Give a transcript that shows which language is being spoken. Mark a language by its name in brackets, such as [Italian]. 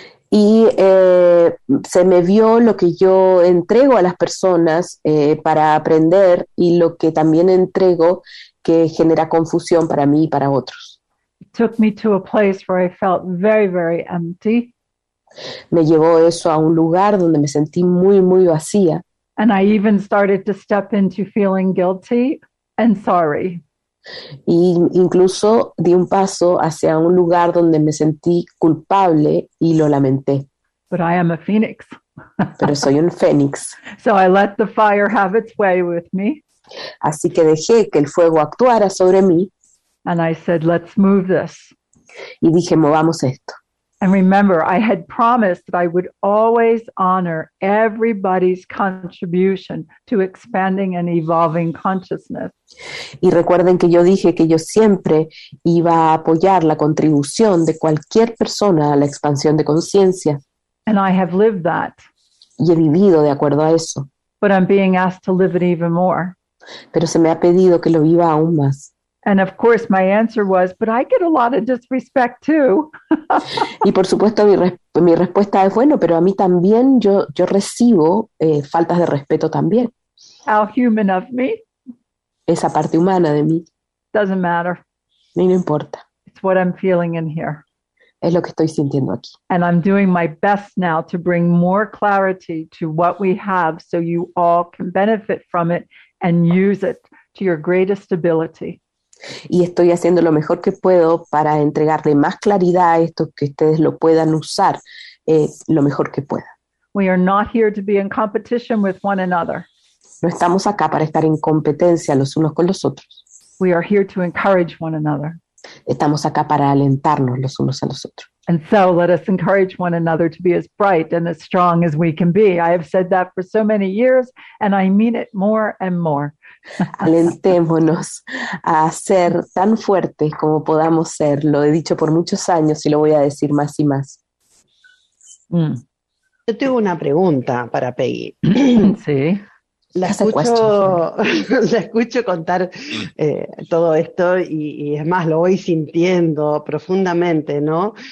[Spanish] Y se me vio lo que yo entrego a las personas para aprender y lo que también entrego que genera confusión para mí y para otros. [English] It took me to a place where I felt very, very empty. [Spanish] Me llevó eso a un lugar donde me sentí muy, muy vacía. [English] And I even started to step into feeling guilty and sorry. [Spanish] Y incluso di un paso hacia un lugar donde me sentí culpable y lo lamenté. [English] But I am a phoenix. [Spanish] Pero soy un fénix. [English] So I let the fire have its way with me. [Spanish] Así que dejé que el fuego actuara sobre mí. [English] And I said, let's move this. [Spanish] Y dije, movamos esto. [English] And remember, I had promised that I would always honor everybody's contribution to expanding and evolving consciousness. [Spanish] Y recuerden que yo dije que yo siempre iba a apoyar la contribución de cualquier persona a la expansión de conciencia. [English] And I have lived that. [Spanish] Y he vivido de acuerdo a eso. [English] But I'm being asked to live it even more. [Spanish] Pero se me ha pedido que lo viva aún más. [English] And of course my answer was, but I get a lot of disrespect too. [Spanish] Y por supuesto mi respuesta es, bueno, pero a mí también yo recibo faltas de respeto también. [English] How human of me. [Spanish] Esa parte humana de mí. [English] Doesn't matter. [Spanish] Ni me importa. [English] It's what I'm feeling in here. [Spanish] Es lo que estoy sintiendo aquí. [English] And I'm doing my best now to bring more clarity to what we have so you all can benefit from it and use it to your greatest ability. [Spanish] Y estoy haciendo lo mejor que puedo para entregarle más claridad a esto, que ustedes lo puedan usar lo mejor que puedan. [English] We are not here to be in competition with one another. [Spanish] No estamos acá para estar en competencia los unos con los otros. [English] We are here to encourage one another. [Spanish] Estamos acá para alentarnos los unos a los otros. [English] And so let us encourage one another to be as bright and as strong as we can be. I have said that for so many years and I mean it more and more. [Spanish] Alentémonos a ser tan fuertes como podamos ser. Lo he dicho por muchos años y lo voy a decir más y más. Yo tengo una pregunta para Peggy. Sí. La escucho contar todo esto y es más, lo voy sintiendo profundamente, ¿no?